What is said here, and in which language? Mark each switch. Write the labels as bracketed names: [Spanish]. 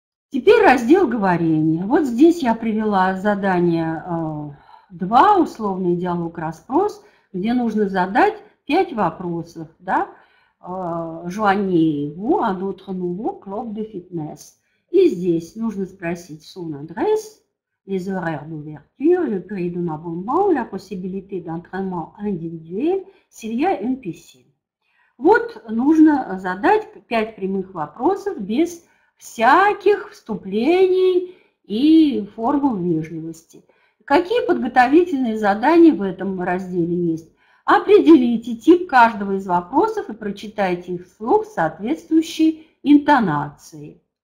[Russian] Теперь раздел говорения. Вот здесь я привела задание 2, условный диалог, расспрос, где нужно задать 5 вопросов, да, [French] «Joignez-vous à notre nouveau club de fitness». [Russian] И здесь нужно спросить [French] «Son adresse, les horaires d'ouverture, le prix d'un abonnement, la possibilité d'entraînement individuel, s'il y a une piscine». [Russian] Вот нужно задать 5 прямых вопросов без всяких вступлений и формул вежливости. Какие подготовительные задания в этом разделе есть? Определите тип каждого из вопросов и прочитайте их вслух с соответствующей интонацией.